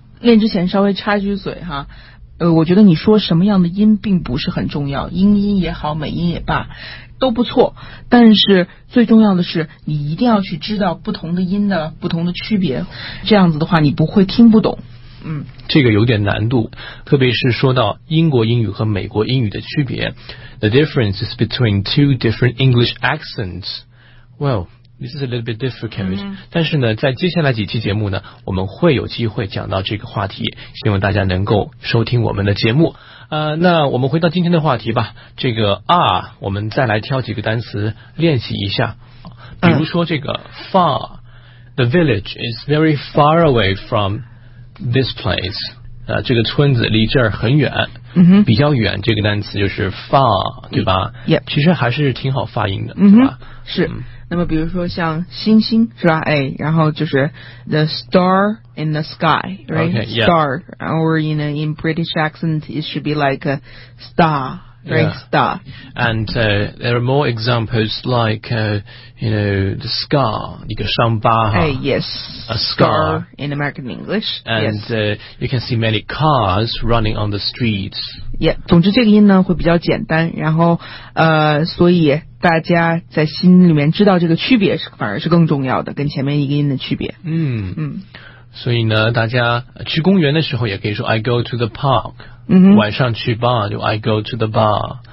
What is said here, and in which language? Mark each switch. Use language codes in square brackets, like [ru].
[zh] 练之前稍微插一句嘴哈，我觉得你说什么样的音并不是很重要，英音也好，美音也罢，都不错。但是最重要的是，你一定要去知道不同的音的不同的区别，这样子的话你不会听不懂。嗯，这个有点难度，特别是说到英国英语和美国英语的区别。 [en] The difference is between two different English accents. Well, this is a little bit difficult. [zh] 但是呢，在接下来几期节目呢，我们会有机会讲到这个话题，希望大家能够收听我们的节目。那我们回到今天的话题吧。这个 R， 我们再来挑几个单词练习一下。比如说这个 far， [en] The village is very far away from this place， [zh] 这个村子离这儿很远、比较远，这个单词就是 far， 对吧？ [en] Yeah. [zh] 其实还是挺好发音的，是吧？是。那么比如说像星星，是吧？哎，然后就是 [en] the star in the sky， right？ Okay, star，、 yeah. or you know in British accent it should be like a star， right？ Yeah. Star。 And there are more examples like you know the scar， [zh] 一个伤疤哈。 [en] Hey, yes. A scar in American English. And、 yes. You can see many cars running on the streets. Yeah. [zh] 总之这个音呢会比较简单，然后所以大家在心里面知道这个区别是反而是更重要的，跟前面一个音的区别。嗯嗯。所以呢，大家去公园的时候也可以说 [en] I go to the park。 [zh] 晚上去 bar 就 [en] I go to the bar。